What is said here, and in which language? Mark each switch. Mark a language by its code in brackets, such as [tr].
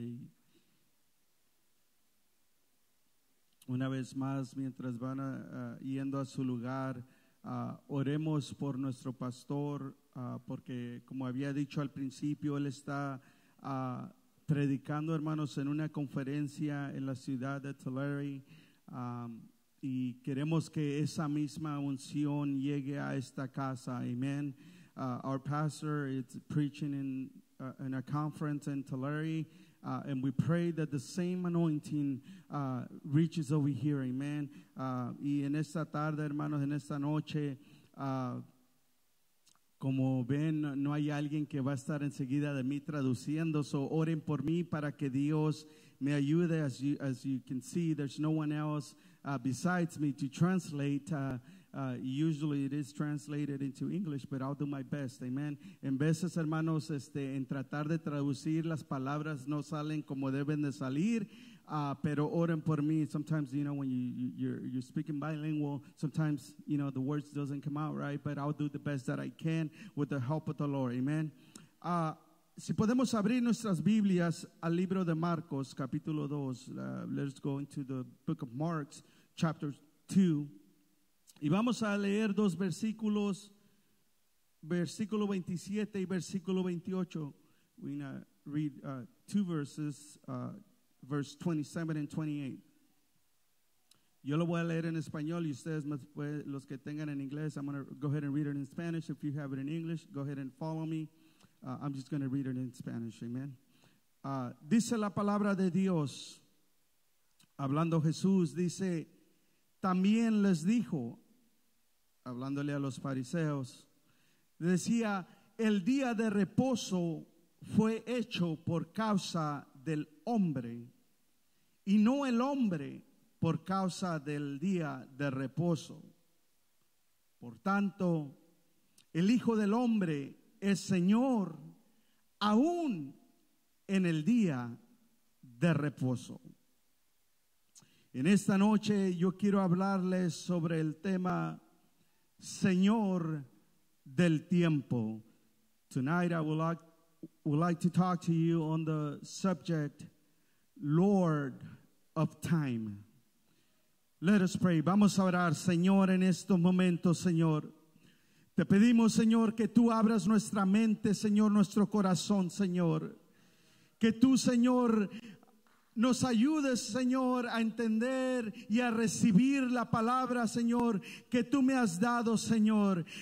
[es] Y una vez más, mientras van yendo a su lugar, oremos por nuestro pastor, porque como había dicho al principio, él está predicando, hermanos, en una conferencia en la ciudad de Tulare, y queremos que esa misma unción llegue a esta casa. Amen. [en] Our pastor is preaching in a conference in Tulare, and we pray that the same anointing reaches over here. Amen. [es] Y en esta tarde, hermanos, en esta noche, como ven, no hay alguien que va a estar enseguida de mí traduciendo. So oren por mí para que Dios me ayude. [en] As you can see, there's no one else besides me to translate. Usually it is translated into English, but I'll do my best. Amen. [es] En veces, hermanos, en tratar de traducir, las palabras no salen como deben de salir. Pero oren por mí. [en] Sometimes, you know, when you're speaking bilingual, sometimes, you know, the words doesn't come out right, but I'll do the best that I can with the help of the Lord. [es] Amen. Si podemos abrir nuestras Biblias al libro de Marcos, capítulo 2, [en] let's go into the book of Mark, chapter 2, [es] y vamos a leer dos versículos, versículo 27 y versículo 28. [en] We're going to read two verses, verse 27 and 28. [es] Yo lo voy a leer en español y ustedes, los que tengan en inglés, [en] I'm going to go ahead and read it in Spanish. If you have it in English, go ahead and follow me. I'm just going to read it in Spanish. Amen. [es] Dice la palabra de Dios, hablando Jesús, dice, también les dijo, hablándole a los fariseos, decía, el día de reposo fue hecho por causa del hombre, y no el hombre por causa del día de reposo. Por tanto, el Hijo del Hombre es Señor aún en el día de reposo. En esta noche yo quiero hablarles sobre el tema Señor del Tiempo. [en] Tonight I would like to talk to you on the subject Lord of Time. Let us pray. [es] Vamos a orar, Señor, en estos momentos, Señor. Te pedimos, Señor, que tú abras nuestra mente, Señor, nuestro corazón, Señor. Que tú, Señor, nos ayudes, Señor, a entender y a recibir la palabra, Señor, que tú me has dado, Señor.